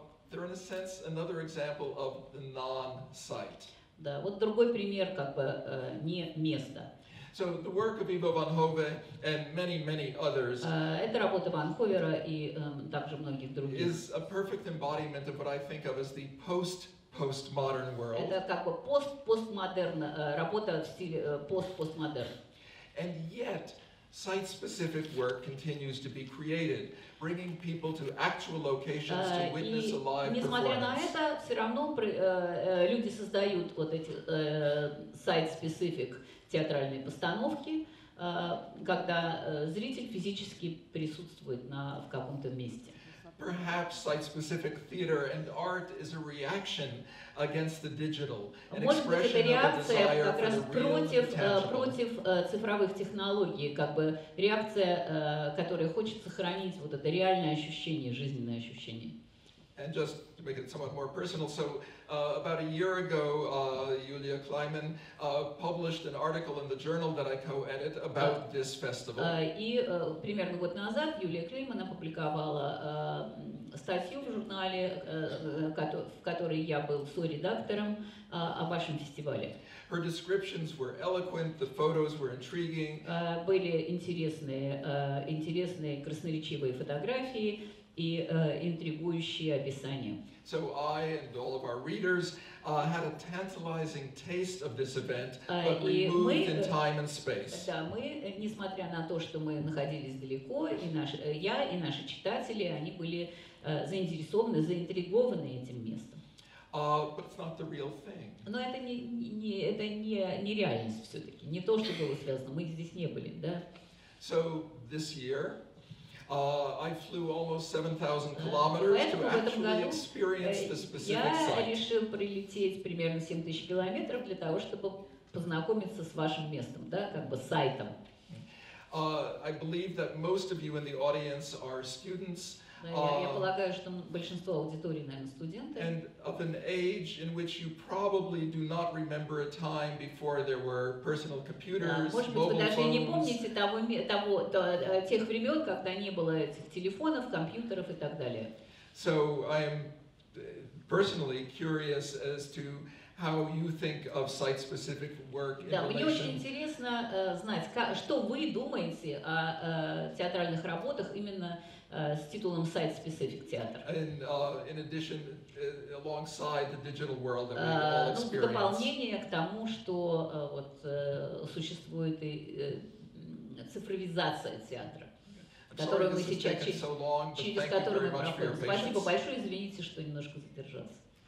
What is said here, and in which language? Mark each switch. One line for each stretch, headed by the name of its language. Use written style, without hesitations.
English: They're in a sense another example of the non-site.
Russian: Да, вот другой пример как бы не места.
English: So the work of Ivo van Hove and many, many others is a perfect embodiment of what I think of as the post-postmodern world.
Russian: Это как бы постмодерн, работа в стиле постмодерн.
English: And yet, site-specific work continues to be created, bringing people to actual locations to witness a live performance.
Russian: И несмотря на это, все равно люди создают вот эти site-specific театральные постановки, когда зритель физически присутствует в каком-то месте.
English: Perhaps site-specific theater and art is a reaction against the digital, an expression of a desire for the real and tangible.
Russian: Против цифровых технологий, как бы реакция, которая хочет сохранить вот это реальное ощущение, жизненное ощущение.
English: And just to make it somewhat more personal, so about a year ago, Julia Kleiman published an article in the journal that I co-edit about this festival.
Russian: И примерно год назад Юлия Клейман опубликовала статью в журнале, в которой я был со-редактором, о вашем фестивале.
English: Her descriptions were eloquent, the photos were intriguing.
Russian: Были интересные красноречивые фотографии. И интригующие описания.
English: So I and all of our readers had a tantalizing taste of this event, but we moved in time and space.
Russian: Да, мы, несмотря на то, что мы находились далеко, и наши читатели, они были заинтересованы, заинтригованы этим местом.
English: But it's not the real thing.
Russian: Но это не реальность все-таки, не то, что было связано. Мы здесь не были, да?
English: So this year. I flew almost 7,000 kilometers to actually experience the specific site.
Russian: Я решил прилететь примерно 7000 километров для того, чтобы познакомиться с вашим местом, да, как бы сайтом.
English: I believe that most of you in the audience are students.
Russian: Я полагаю, что большинство аудитории, наверное, студенты.
English: And of an age in which you probably do not remember a time before there were personal computers, mobile phones.
Russian: Может быть, вы даже не помните тех времен, когда не было этих телефонов, компьютеров и так далее.
English: So I am personally curious as to how you think of site-specific work in relation.
Russian: Да, мне очень интересно знать, что вы думаете о театральных работах именно с титулом «Site-Specific Theater».
English: In addition, alongside the digital world that we all experience.
Russian: В дополнение к тому, что существует и цифровизация театра, которую мы сейчас через которую мы проходим. Спасибо большое, извините, что немножко задержался.